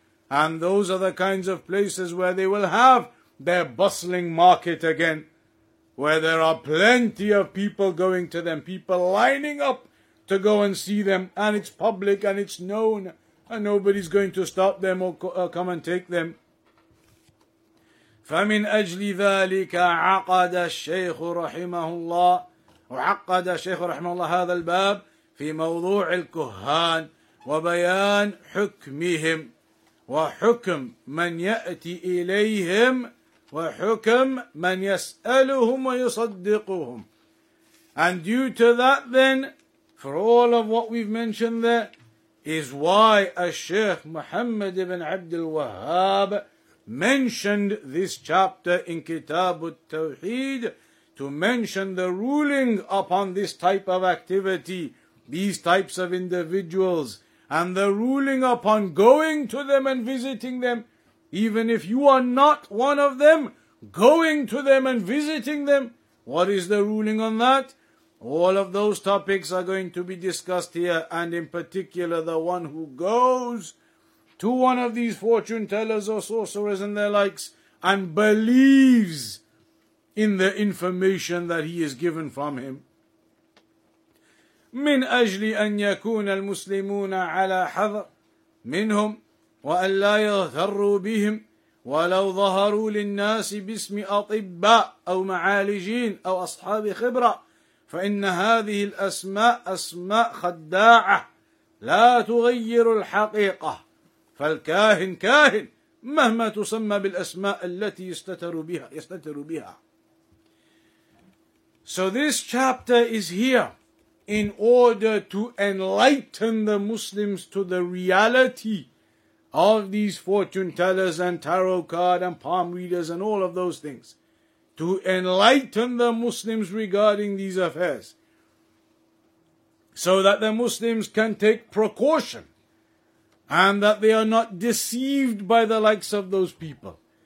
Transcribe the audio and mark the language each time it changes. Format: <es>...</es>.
<en>And those are the kinds of places where they will have their bustling market again, where there are plenty of people going to them, people lining up to go and see them, and it's public and it's known, and nobody's going to stop them or come and take them.</en> <ar>فَمِنْ أَجْلِ ذَٰلِكَ عَقَدَ الشَّيْخُ رَحِمَهُ اللَّهُ وَعَقَدَ الشَّيْخُ رَحِمَهُ اللَّهُ هَذَا الْبَابِ في موضوع الكهان وبيان حكمهم وحكم من يأتي إليهم وحكم من يسألهم ويصدقهم.</ar> <en>And due to that then, for all of what we've mentioned there, is why Al-Sheikh Muhammad ibn Abdul Wahhab mentioned this chapter in Kitaab-at Tawheed, to mention the ruling upon this type of activity, these types of individuals, and the ruling upon going to them and visiting them. Even if you are not one of them, going to them and visiting them, what is the ruling on that? All of those topics are going to be discussed here, and in particular the one who goes to one of these fortune tellers or sorcerers and their likes and believes in the information that he is given from him.</en> <ar>من أجل أن يكون المسلمون على حذر منهم وأن لا يغتروا بهم ولو ظهروا للناس باسم أطباء أو معالجين أو أصحاب خبرة فإن هذه الأسماء أسماء خداعة لا تغير الحقيقة فالكاهن كاهن مهما تسمى بالأسماء التي يستتر بها.</ar> <en>So this chapter is here in order to enlighten the Muslims to the reality of these fortune tellers and tarot card and palm readers and all of those things. To enlighten the Muslims regarding these affairs, so that the Muslims can take precaution and that they are not deceived by the likes of those people.</en>